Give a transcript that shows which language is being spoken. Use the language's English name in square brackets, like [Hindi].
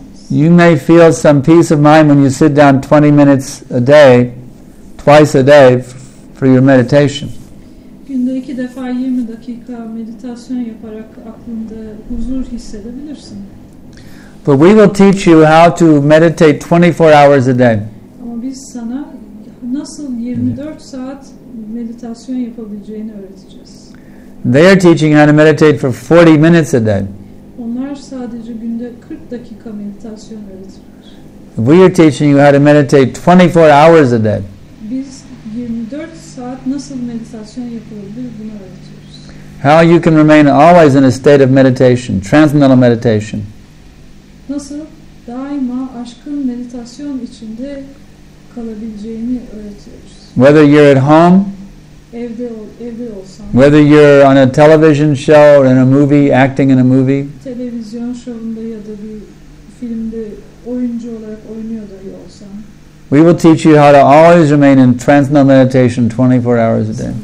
[English] You may feel some peace of mind when you sit down 20 minutes a day, twice a day, for your meditation. [Turkish] Günde 2 defa 20 dakika meditasyon yaparak aklında huzur hissedebilirsin. [English] But we will teach you how to meditate 24 hours a day. [Turkish] Ama biz sana nasıl 24 saat meditasyon yapabileceğini öğreteceğiz. [English] They are teaching how to meditate for 40 minutes a day. [Turkish] Onlar sadece günde 40 dakika meditasyon öğretiyor. [English] We are teaching you how to meditate 24 hours a day. [Turkish] Biz 24 saat nasıl meditasyon yapabilir bunu öğretiyoruz. [English] How you can remain always in a state of meditation, transcendental meditation. [Turkish] Nasıl daima aşkın meditasyon içinde kalabileceğini öğretiyoruz. [English] Whether you're at home, [Turkish] evde olsam, [English] whether you're on a television show or in a movie, acting in a movie, [Turkish] televizyon şovunda ya da bir filmde oyuncu olarak oynuyor dahi olsam, [English] we will teach you how to always remain in transcendental meditation 24 hours a day.